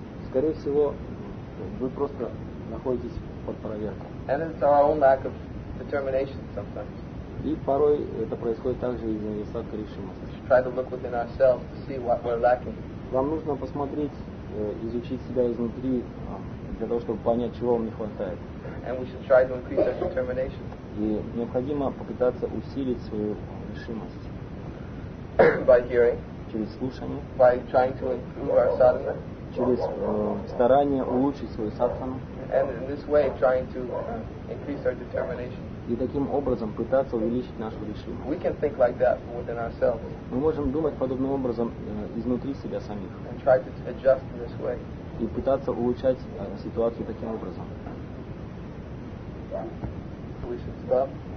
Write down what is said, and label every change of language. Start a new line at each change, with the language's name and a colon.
Russian: Скорее всего, вы просто находитесь под проверкой.
English: And it's our own lack of determination sometimes.
Russian: И порой это происходит также из-за недостатка решимости.
English: We try to look within ourselves to see what we're lacking.
Russian: Вам нужно посмотреть, изучить себя изнутри, для того, чтобы понять, чего вам не хватает.
English: And we should try to increase our determination.
Russian: И необходимо попытаться усилить свою решимость.
English: By hearing.
Russian: Через слушание.
English: By trying to improve our sadhana.
Russian: Через старание улучшить свою садхану.
English: And in this way, trying to increase our determination.
Russian: И таким образом пытаться увеличить нашу решимость.
English: We can think like that within ourselves.
Russian: Мы можем думать подобным образом изнутри себя самих.
English: And try to adjust in this way.
Russian: И пытаться улучшать ситуацию таким образом.
English: We should stop.